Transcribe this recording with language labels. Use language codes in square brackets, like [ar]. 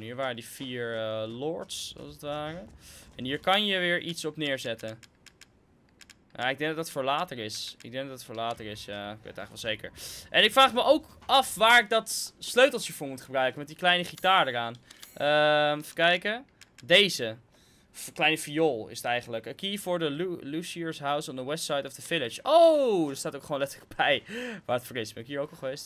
[nl] Hier waren die 4 lords, als het ware. En hier kan je weer iets op neerzetten. Ik denk dat dat voor later is. Ja, ik weet het eigenlijk wel zeker. En ik vraag me ook af waar ik dat sleuteltje voor moet gebruiken. Met die kleine gitaar eraan. Even kijken. Deze. Kleine viool is het eigenlijk. [en] A key for the Lucier's house on the west side of the village. [nl] Oh, er staat ook gewoon letterlijk bij. Waar het voor is. Ben ik hier ook al geweest?